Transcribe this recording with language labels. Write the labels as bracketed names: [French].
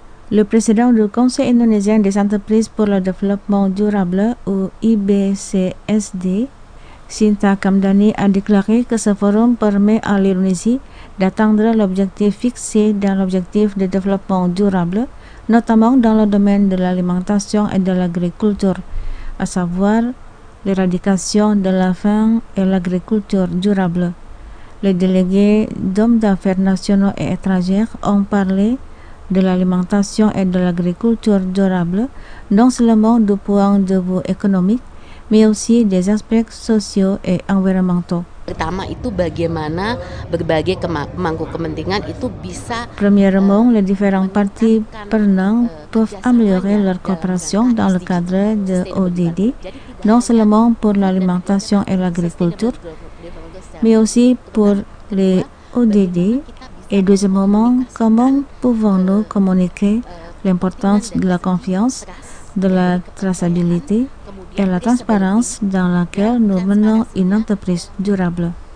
[French] Le président du Conseil indonésien des entreprises pour le développement durable, ou IBCSD, Sinta Kamdani, a déclaré que ce forum permet à l'Indonésie d'atteindre l'objectif fixé dans l'objectif de développement durable, notamment dans le domaine de l'alimentation et de l'agriculture, à savoir l'éradication de la faim et l'agriculture durable. Les délégués d'hommes d'affaires nationaux et étrangers ont parlé de l'alimentation et de l'agriculture durable, non seulement du point de vue économique, mais aussi des aspects sociaux et environnementaux. [Indonesian] Pertama itu bagaimana berbagai pemangku kepentingan itu bisa. [French] Premièrement, les différents partis prenants peuvent améliorer leur coopération dans le cadre de ODD, non seulement pour l'alimentation et l'agriculture, mais aussi pour les ODD. Et deuxièmement, comment pouvons-nous communiquer l'importance de la confiance, de la traçabilité et la transparence dans laquelle nous menons une entreprise durable.